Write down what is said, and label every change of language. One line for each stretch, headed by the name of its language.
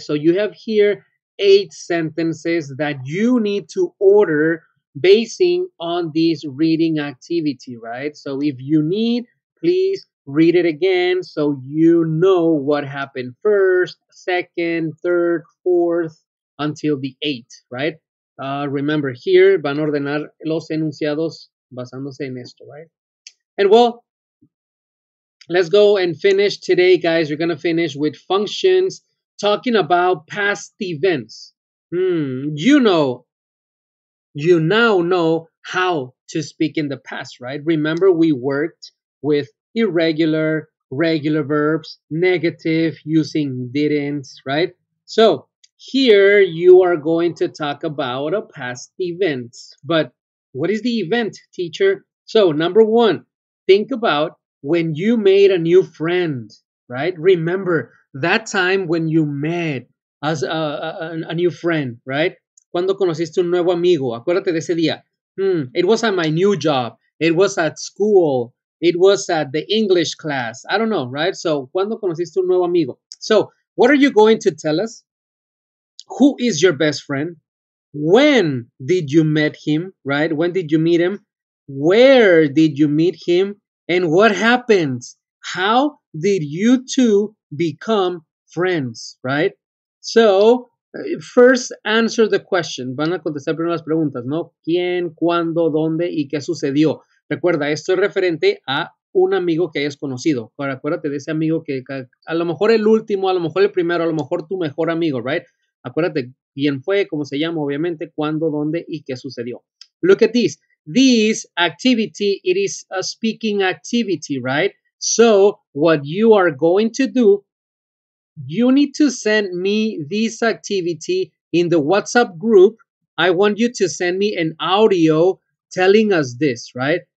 English: So you have here 8 sentences that you need to order basing on this reading activity, right? So if you need, please read it again so you know what happened first, second, third, fourth, until the 8th, right? Remember here,
Spanish: van a ordenar los enunciados basándose en esto, right?
English: And well, let's go and finish today, guys. You're going to finish with functions talking about past events. You now know how to speak in the past, right? Remember, we worked with irregular, regular verbs, negative, using didn't, right? So here you are going to talk about a past event. But what is the event, teacher? So number one, think about when you made a new friend, right? Remember that time when you met as a new friend, right?
Spanish: Cuando conociste un nuevo amigo, acuérdate de ese día.
English: It was at my new job. It was at school. It was at the English class. I don't know, right? So,
Spanish: cuando conociste un nuevo amigo?
English: So, what are you going to tell us? Who is your best friend? When did you meet him, right? When did you meet him? Where did you meet him? And what happened? How did you two become friends, right? So, first answer the question.
Spanish: Van a contestar primero las preguntas, ¿no? ¿Quién, cuándo, dónde y qué sucedió? Recuerda, esto es referente a un amigo que hayas conocido. Acuérdate de ese amigo que a lo mejor el último, a lo mejor el primero, a lo mejor tu mejor amigo, right? Acuérdate quién fue, cómo se llama, obviamente, cuándo, dónde y qué sucedió.
English: Look at this. This activity, it is a speaking activity, right? So what you are going to do, you need to send me this activity in the WhatsApp group. I want you to send me an audio telling us this, right?